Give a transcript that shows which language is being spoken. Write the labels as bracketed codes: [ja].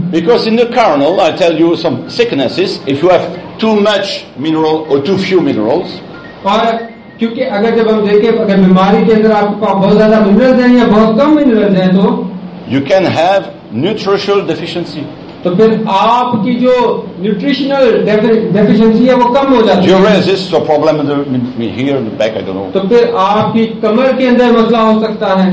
[en] because in the kernel I tell you some sicknesses if you have too much mineral اور too few minerals, [ur] اور کیونکہ اگر جب ہم دیکھیں اگر بیماری کے اندر آپ کے پاس بہت زیادہ منرلز ہیں یا بہت کم منرلز ہیں تو [en] you can have nutritional deficiency, [ur] تو پھر آپ کی جو نیوٹریشنل ڈیفیشنسی ہے وہ کم ہو جاتی ہے. [en] Here is a problem in the here in the back, I don't know. [ur] تو پھر آپ کی کمر کے اندر مسئلہ ہو سکتا ہے.